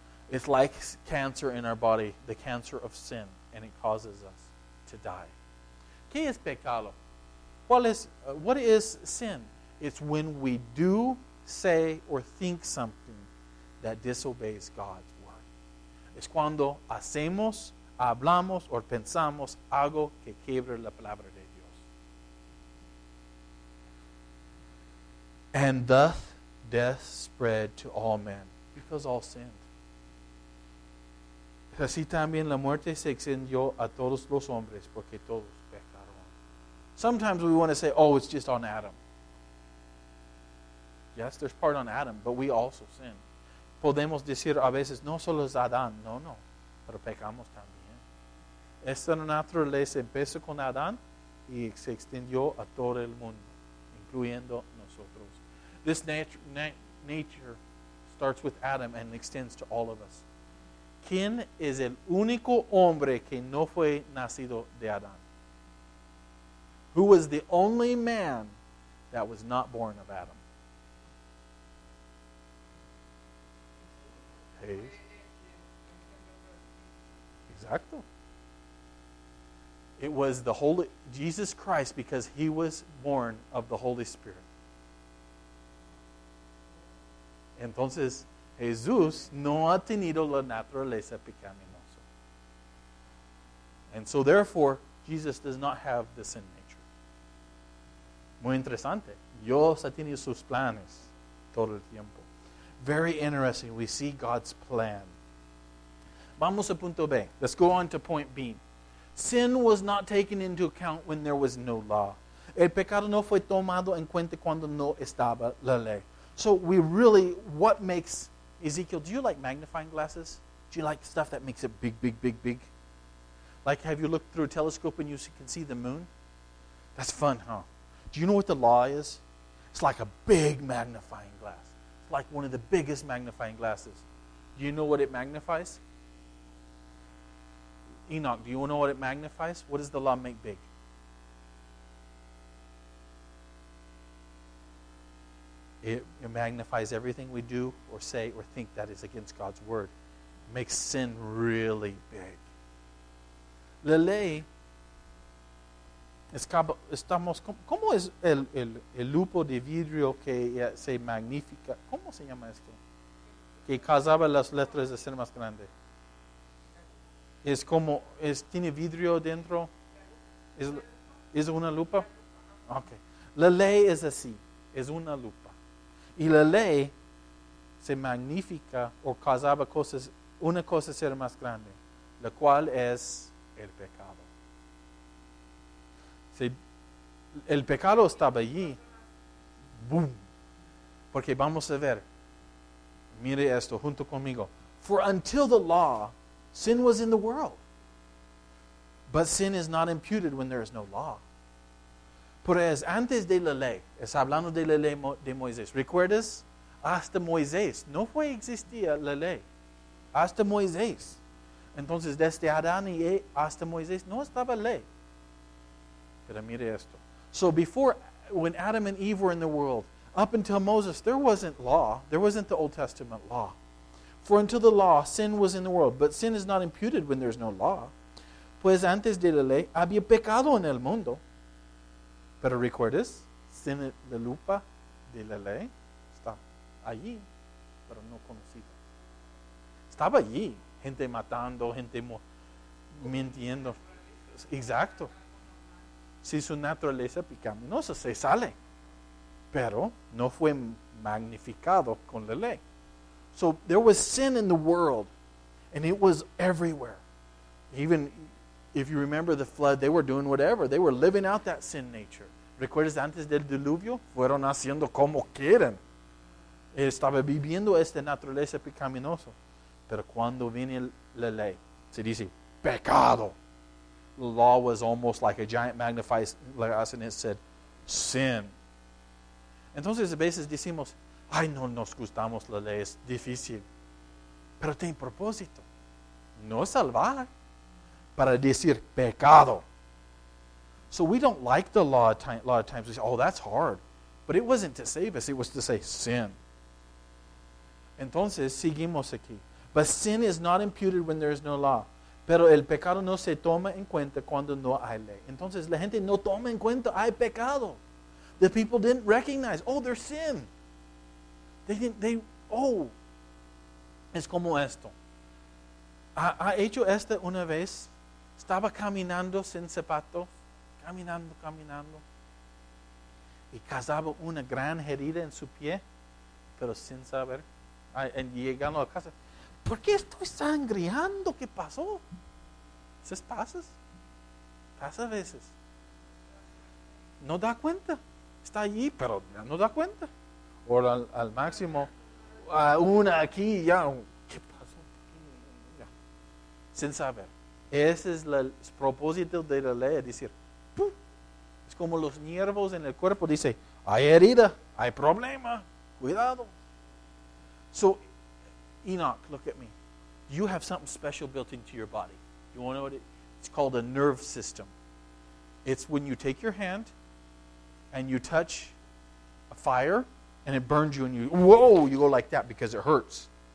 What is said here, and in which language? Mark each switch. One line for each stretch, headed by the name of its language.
English: It's like cancer in our body, the cancer of sin, and it causes us to die.
Spanish: ¿Qué es pecado?
English: What is sin? It's when we do, say, or think something that disobeys God's word.
Spanish: Es cuando hacemos, hablamos o pensamos algo que quiebre la palabra de Dios.
English: And thus death spread to all men, because all sinned.
Spanish: Así también la muerte se extendió a todos los hombres, porque todos pecaron.
English: Sometimes we want to say, oh, it's just on Adam. Yes, there's part on Adam, but we also sin.
Spanish: Podemos decir a veces, no solo es Adán, no, pero pecamos también. Esta naturaleza empezó con Adán y se extendió a todo el mundo, incluyendo nosotros.
English: This nature starts with Adam and extends to all of us.
Spanish: ¿Quién es el único hombre que no fue nacido de Adán?
English: Who was the only man that was not born of Adam? Hey. Exacto. It was the Holy Jesus Christ, because he was born of the Holy Spirit.
Spanish: Entonces, Jesús no ha tenido la naturaleza pecaminosa.
English: And so therefore, Jesus does not have the sin nature.
Spanish: Muy interesante. Dios ha tenido sus planes todo el tiempo.
English: Very interesting. We see God's plan.
Spanish: Vamos a punto B.
English: Let's go on to point B. Sin was not taken into account when there was no law. El pecado no fue tomado en cuenta cuando no estaba la ley. So we really, what makes, Ezekiel, do you like magnifying glasses? Do you like stuff that makes it big, big, big, big? Like, have you looked through a telescope and you can see the moon? That's fun, huh? Do you know what the law is? It's like a big magnifying glass. It's like one of the biggest magnifying glasses. Do you know what it magnifies? Enoch, do you know what it magnifies? What does the law make big? It magnifies everything we do or say or think that is against God's word. It makes sin really big.
Spanish: La ley, estamos, ¿cómo es el lupo de vidrio que se magnifica? ¿Cómo se llama esto? Que causaba las letras de ser más grandes. Es como, es, tiene vidrio dentro. Es una lupa. Okay. La ley es así. Es una lupa. Y la ley se magnifica o causaba cosas, una cosa ser más grande, la cual es el pecado. Si el pecado estaba allí, boom. Porque vamos a ver, mire esto junto conmigo.
English: For until the law, sin was in the world. But sin is not imputed when there is no law.
Spanish: Pues antes de la ley, es hablando de la ley de Moisés. ¿Recuerdas? Hasta Moisés, no fue existía la ley. Hasta Moisés. Entonces, desde Adán y Eva hasta Moisés, no estaba ley. Pero mire esto.
English: So before, when Adam and Eve were in the world, up until Moses, there wasn't law. There wasn't the Old Testament law. For until the law, sin was in the world. But sin is not imputed when there's no law.
Spanish: Pues antes de la ley, había pecado en el mundo. Pero recuerdes, sin la lupa de la ley, está allí, pero no conocido. Estaba allí, gente matando, gente mintiendo. Exacto. Si su naturaleza pecaminosa se sale. Pero no fue magnificado con la ley.
English: So there was sin in the world, and it was everywhere. Even if you remember the flood, they were doing whatever. They were living out that sin nature.
Spanish: ¿Recuerdas antes del diluvio? Fueron haciendo como quieren. Estaba viviendo esta naturaleza pecaminosa. Pero cuando viene la ley, se dice, pecado.
English: The law was almost like a giant magnifying glass, and it said, sin.
Spanish: Entonces, a veces decimos, ay, no nos gustamos la ley, es difícil. Pero tiene propósito. No salvar, para decir pecado.
English: So we don't like the law a lot of times. We say, oh, that's hard. But it wasn't to save us, it was to say sin.
Spanish: Entonces, seguimos aquí.
English: But sin is not imputed when there is no law.
Spanish: Pero el pecado no se toma en cuenta cuando no hay ley. Entonces, la gente no toma en cuenta, hay pecado.
English: The people didn't recognize, oh, there's sin.
Spanish: Oh. Es como esto. ¿Ha hecho esta una vez? Estaba caminando sin zapatos. Caminando. Y causaba una gran herida en su pie. Pero sin saber. Llegando a casa. ¿Por qué estoy sangriando? ¿Qué pasó? ¿Eso pasa? Pasa a veces. No da cuenta. Está allí, pero ya no da cuenta. O al máximo, una aquí, ya. ¿Qué pasó? Ya. Sin saber. Ese es el propósito de la ley, decir, ¡pum! Es como los nervios en el cuerpo, dice, hay herida, hay problema, cuidado.
English: So, Enoch, look at me. You have something special built into your body. You want to know what it's called? A nerve system. It's when you take your hand, and you touch a fire, and it burns you, and you, whoa, you go like that because it hurts.